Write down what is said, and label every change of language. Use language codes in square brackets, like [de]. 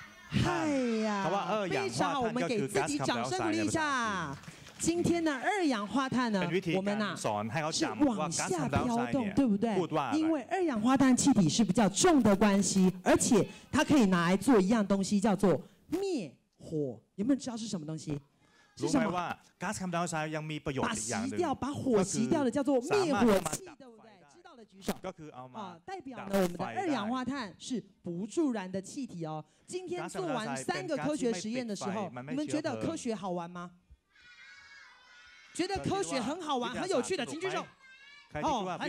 [zh] 嗨呀，非常好，我们给自己掌声鼓励一下。今天呢，二氧化碳呢，我们呢是往下飘动，对不对？因为二氧化碳气体是比较重的关系，而且它可以拿来做一样东西，叫做灭火。有没有知道是什么东西？ [th] รู้ไหมว่าก๊าซคาร์บอนไดออกไซด์ยังมีประโยชน์อีกอย่างนึง ก็คือ [zh] 把火熄掉的叫做灭火器，对不对？知道的举手。 [th] ก็คือเอามา [zh] 代表呢我们的二氧化碳是不助燃的气体哦。今天做完三个科学实验的时候，你们觉得科学好玩吗？觉得科学很好玩、很有趣的，请举手。哦，来